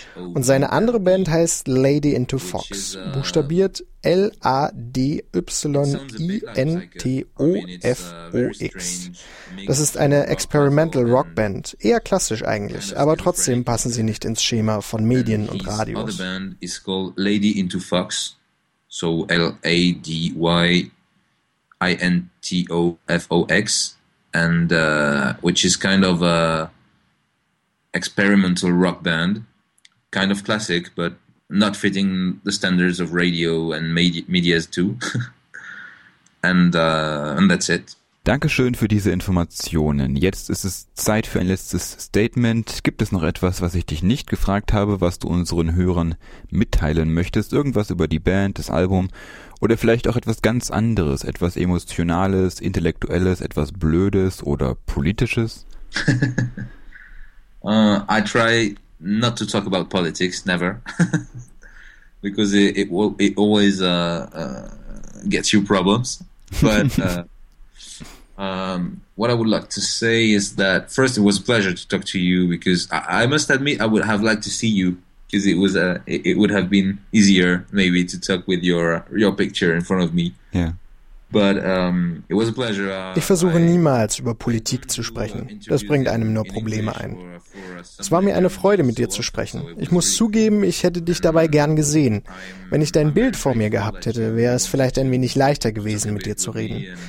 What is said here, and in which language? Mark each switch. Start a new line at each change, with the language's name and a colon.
German: Und seine andere Band heißt Lady into Fox, buchstabiert L-A-D-Y-I-N-T-O-F-O-X. Das ist eine Experimental Rock Band, eher klassisch eigentlich, aber trotzdem passen sie nicht ins Schema von Medien und Radios.
English: Other band is called Lady into Fox, so L-A-D-Y-I-N-T-O-F-O-X, and which is kind of a experimental rock band, kind of classic, but not fitting the standards of radio and media too. and that's it.
German: Dankeschön für diese Informationen. Jetzt ist es Zeit für ein letztes Statement. Gibt es noch etwas, was ich dich nicht gefragt habe, was du unseren Hörern mitteilen möchtest? Irgendwas über die Band, das Album oder vielleicht auch etwas ganz anderes, etwas Emotionales, Intellektuelles, etwas Blödes oder Politisches?
English: I try not to talk about politics, never. Because it always gets you problems. But what I would like to say is that first, it was a pleasure to talk to you, because I must admit I would have liked to see you, because it would have been easier maybe to talk with your picture in front of me. Yeah. But it was a pleasure.
German: Ich versuche niemals über Politik zu sprechen. Das bringt einem nur Probleme ein. Es war mir eine Freude, mit dir zu sprechen. Ich muss zugeben, ich hätte dich dabei gern gesehen. Wenn ich dein Bild vor mir gehabt hätte, wäre es vielleicht ein wenig leichter gewesen, mit dir zu reden.